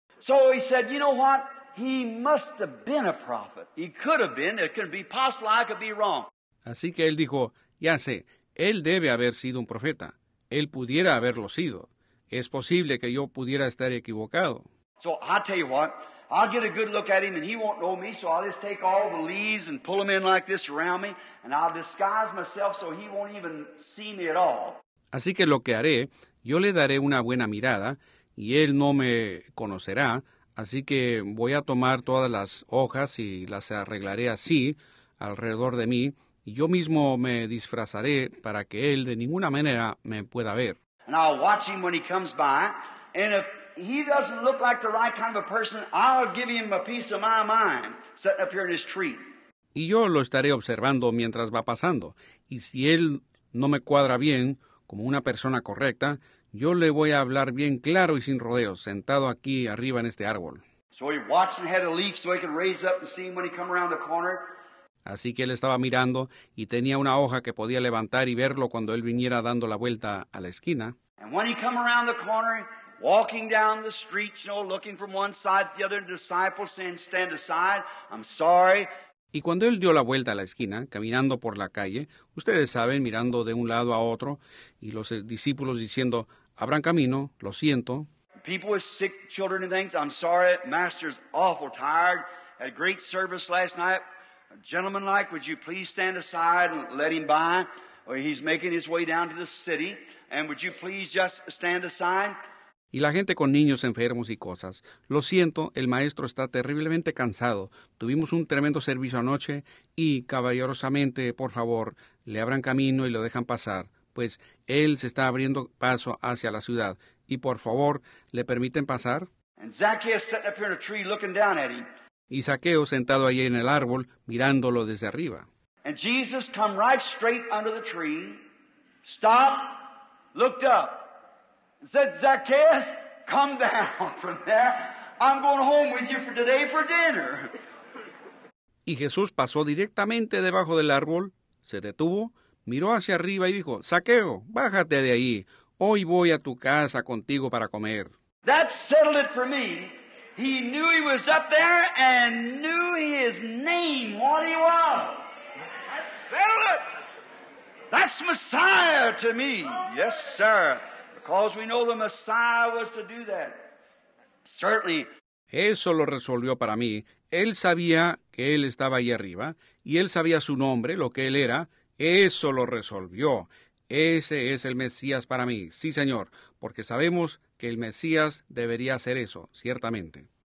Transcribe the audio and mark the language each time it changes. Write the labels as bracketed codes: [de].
[en] So he said, you know what? He must have been a prophet. He could have been. It could be possible. I could be wrong. [es] Así que él dijo, ya sé, él debe haber sido un profeta. Él pudiera haberlo sido. Es posible que yo pudiera estar equivocado. [en] So I'll tell you what. I'll get a good look at him and he won't know me, so I'll just take all the leaves and pull them in like this around me and I'll disguise myself so he won't even see me at all. [es] Así que lo que haré, yo le daré una buena mirada y él no me conocerá, así que voy a tomar todas las hojas y las arreglaré así alrededor de mí y yo mismo me disfrazaré para que él de ninguna manera me pueda ver. [en] And I'll watch him when he comes by and if he doesn't look like the right kind of a person, I'll give him a piece of my mind sitting up here in his tree. [es] Y yo lo estaré observando mientras va pasando. Y si él no me cuadra bien como una persona correcta, yo le voy a hablar bien claro y sin rodeos, sentado aquí arriba en este árbol. [en] So he watched and had a leaf so he could raise up and see him when he come around the corner. [es] Así que él estaba mirando y tenía una hoja que podía levantar y verlo cuando él viniera dando la vuelta a la esquina. [en] And when he come around the corner, walking down the street, you know, looking from one side to the other, and disciples saying, stand aside, I'm sorry. [es] Y cuando él dio la vuelta a la esquina, caminando por la calle, ustedes saben, mirando de un lado a otro, y los discípulos diciendo, abran camino, lo siento. [en] People with sick children and things, I'm sorry, master's awful tired, had a great service last night. A gentleman like, would you please stand aside and let him by? Well, he's making his way down to the city, and would you please just stand aside? [es] Y la gente con niños enfermos y cosas. Lo siento, el maestro está terriblemente cansado. Tuvimos un tremendo servicio anoche y caballerosamente, por favor, le abran camino y lo dejan pasar, pues él se está abriendo paso hacia la ciudad. Y por favor, ¿le permiten pasar? [en] And Zacchaeus sitting up here in a tree looking down at him. [es] Y Zaqueo sentado allí en el árbol, mirándolo desde arriba. [en] And Jesus come right straight under the tree, stopped, looked up. Said, Zacchaeus, come down from there. I'm going home with you for today for dinner. [es] Y Jesús pasó directamente debajo del árbol, se detuvo, miró hacia arriba y dijo, Zaqueo, bájate de ahí. Hoy voy a tu casa contigo para comer. [en] That settled it for me. He knew he was up there and knew his name, what he was. That settled it. That's Messiah to me. Yes, sir. Because we know the Messiah was to do that. Certainly. [es] Eso lo resolvió para mí. Él sabía que él estaba ahí arriba, y él sabía su nombre, lo que él era. Eso lo resolvió. Ese es el Mesías para mí. Sí, Señor. Porque sabemos que el Mesías debería hacer eso, ciertamente.